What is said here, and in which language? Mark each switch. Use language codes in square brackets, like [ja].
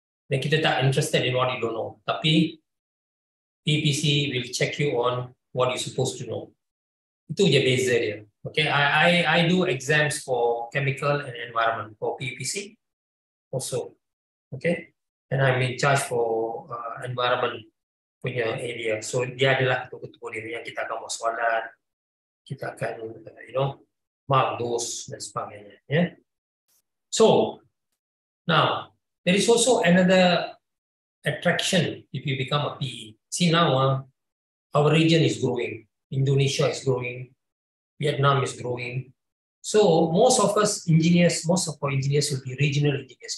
[en] Then [ms] kita tak [en] interested in what he don't know. [ms] Tapi [en] PPC will check you on what you supposed to know. [ms] Itu je beza dia. [en] Okay, I do exams for chemical and environment for PPC also. Okay, and I'm in charge for environment punya area. [ms] So dia adalah ketua-ketua dia yang kita akan buat soalan, kita akan [en] mark those [ms] dan sebagainya. [en] Yeah. So now there is also another attraction if you become a PE. See now, our region is growing. Indonesia is growing. Vietnam is growing. So most of us engineers, most of our engineers will be regional engineers.